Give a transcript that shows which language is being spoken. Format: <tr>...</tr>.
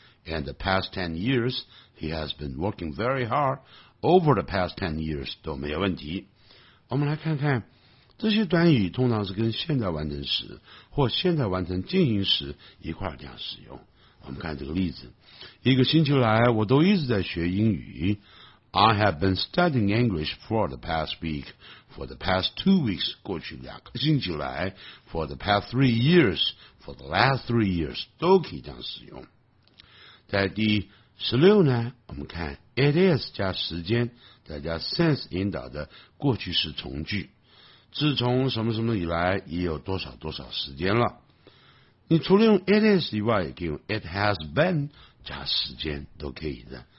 <en>And the past 10 years he has been working very hardover the past 10 years</en> <zh>都没有问题。我们来看看这些短语通常是跟现在完成时或现在完成进行时一块这样使用。我们看这个例子，一个星期来我都一直在学英语。</zh> <en>I have been studying English for the past week, for the past 2 weeks,</en> <zh>过去两个星期来</zh> <en>for the past 3 years, for the last 3 years, 都可以这样使用。</en> <zh>在第16呢，我们看 it is 加时间再加 since 引导的过去式从句，自从什么什么以来也有多少多少时间了。你除了用 it is 以外，也可以用 it has been 加时间都可以的。</zh>